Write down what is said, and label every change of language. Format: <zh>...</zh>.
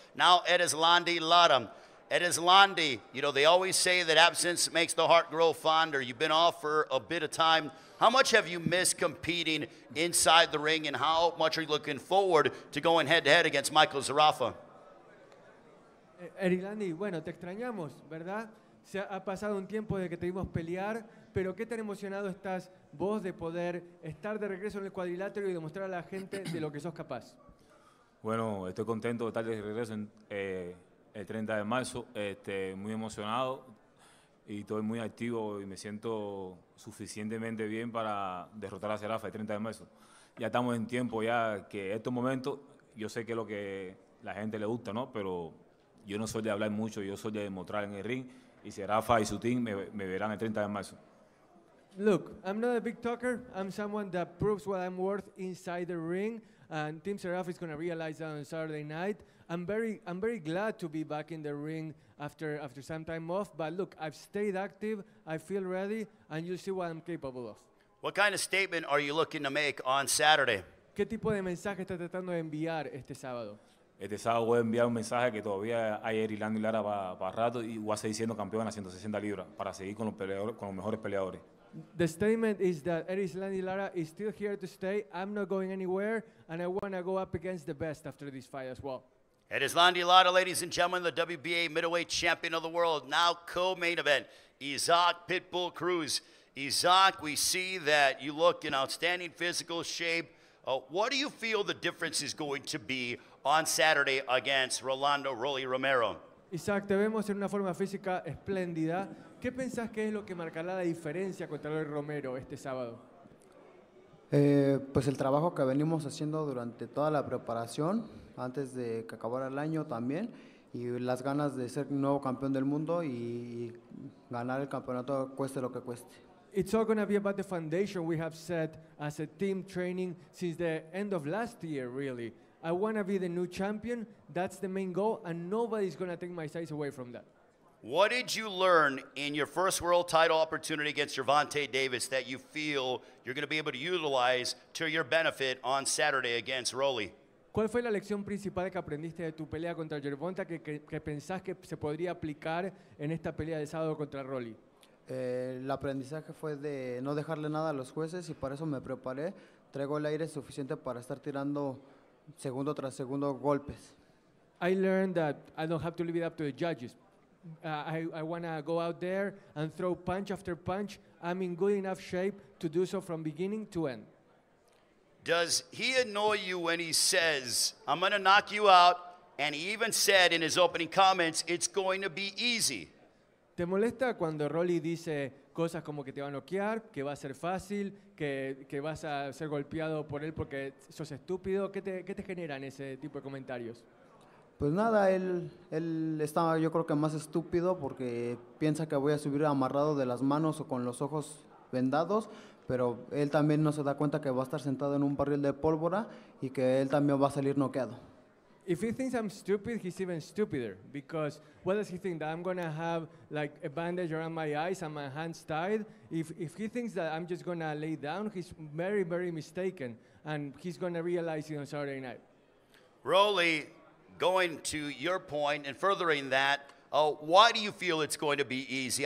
<en>Now, Erislandy Lara. Erislandy, you know, they always say that absence makes the heart grow fonder. You've been off for a bit of time. How much have you missed competing inside the ring, and how much are you looking forward to going head-to-head against Michael Zerafa?</en> <es>Erislandy, bueno, te extrañamos, ¿verdad? Se ha pasado un tiempo de que te vimos pelear, pero qué tan emocionado estás vos de poder estar de regreso en el cuadrilátero y demostrar a la gente de lo que sos capaz. Bueno, estoy contento de estar de regreso en, el 30 de marzo. Muy emocionado y estoy muy activo y me siento suficientemente bien para derrotar a Zerafa el 30 de marzo. Ya estamos en tiempo ya que estos momentos, yo sé que es lo que la gente le gusta, ¿no? Pero yo no soy de hablar mucho, yo soy de demostrar en el ring. Y Zerafa y su team me verán el 30 de marzo.</es> <en>Look, I'm not a big talker. I'm someone that proves what I'm worth inside the ring. And Tim Tszyu is going to realize that on Saturday night. I'm very glad to be back in the ring after some time off. But look, I've stayed active. I feel ready. And you'll see what I'm capable of. What kind of statement are you looking to make on Saturday?</en> <es>¿Qué tipo de mensaje está tratando de enviar este sábado? Este sábado voy a enviar un mensaje que todavía hay Erislandy Lara para rato y voy a seguir siendo campeón a 160 libras para seguir con los peleadores, con los mejores peleadores.</es> <en>The statement is that Erislandy Lara is still here to stay. I'm not going anywhere, and I want to go up against the best after this fight as well. Erislandy Lara, ladies and gentlemen, the WBA middleweight champion of the world, now co-main event, Isaac Pitbull Cruz. Isaac, we see that you look in outstanding physical shape. What do you feel the difference is going to be on Saturday against Rolando Rolly Romero?</en> <es>Isaac, te vemos en una forma física espléndida. ¿Qué pensás que es lo que marcará la diferencia contra Rolly Romero este sábado? Pues el trabajo que venimos haciendo durante toda la preparación, antes de que acabara el año también, y las ganas de ser nuevo campeón del mundo y ganar el campeonato cueste lo que cueste.</es> <en>It's all going to be about the foundation we have set as a team training since the end of last year, really. I want to be the new champion. That's the main goal, and nobody's going to take my size away from that. What did you learn in your first world title opportunity against Gervonta Davis that you feel you're going to be able to utilize to your benefit on Saturday against Rolly?</en> <es>¿Cuál fue la lección principal que aprendiste de tu pelea contra Gervonta que pensás que se podría aplicar en esta pelea de sábado contra Rolly? El aprendizaje fue de no dejarle nada a los jueces, y para eso me preparé. Traigo el aire suficiente para estar tirando segundo tras segundo golpes.</es> <en>I learned that I don't have to leave it up to the judges. I want to go out there and throw punch after punch. I'm in good enough shape to do so from beginning to end. Does he annoy you when he says, I'm going to knock you out, and he even said in his opening comments, it's going to be easy?</en> <es>¿Te molesta cuando Rolly dice cosas como que te va a noquear, que va a ser fácil, que vas a ser golpeado por él porque sos estúpido? ¿Qué te generan ese tipo de comentarios? Pues nada, él está, yo creo que más estúpido, porque piensa que voy a subir amarrado de las manos o con los ojos vendados, pero él también no se da cuenta que va a estar sentado en un barril de pólvora y que él también va a salir noqueado.</es> <en>If he thinks I'm stupid, he's even stupider, because what does he think, that I'm going to have like a bandage around my eyes and my hands tied? If he thinks that I'm just going to lay down, he's very, very mistaken, and he's going to realize it on Saturday night. Rolly, going to your point and furthering that, why do you feel it's going to be easy?</en>